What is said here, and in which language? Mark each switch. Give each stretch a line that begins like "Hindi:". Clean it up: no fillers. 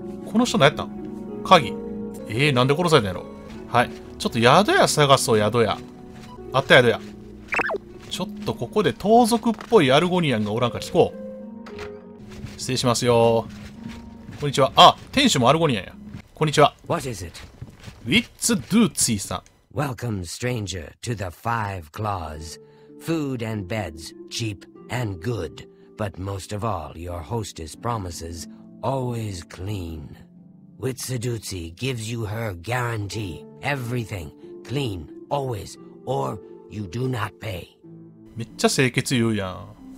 Japanese: この人何やったん？鍵。なんで殺されたんやろ。はい。ちょっと宿屋探そう、宿屋。あった宿屋。ちょっとここで盗賊っぽいアルゴニアンがおらんか聞こう。失礼しますよ。こんにちは。あ、店主もアルゴニアンや。こんにちは。
English: What is it?
Japanese: Witz Dutsi さん。
English: Welcome, stranger, to the Five Claws. Food and beds, cheap and good. But most of all, your hostess promises always clean. Witsuduzi gives you her guarantee. Everything clean, always, or you do not pay.
Japanese: めっちゃ清潔言うやん。